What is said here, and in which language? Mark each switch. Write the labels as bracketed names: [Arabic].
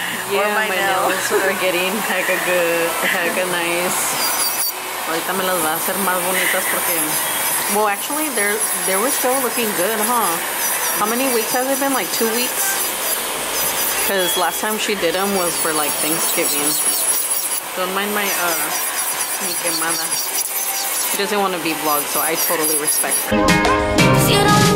[English] Yeah, my nails are getting hecka good, hecka nice. [Spanish] Ahorita me las va a hacer más bonitas porque... [English] Well, actually, they were still looking good, huh? How many weeks has it been? Like, 2 weeks? Because last time she did them was for, like, Thanksgiving. Don't mind my, [Spanish] mi quemada. [English] She doesn't want to be vlogged, so I totally respect her.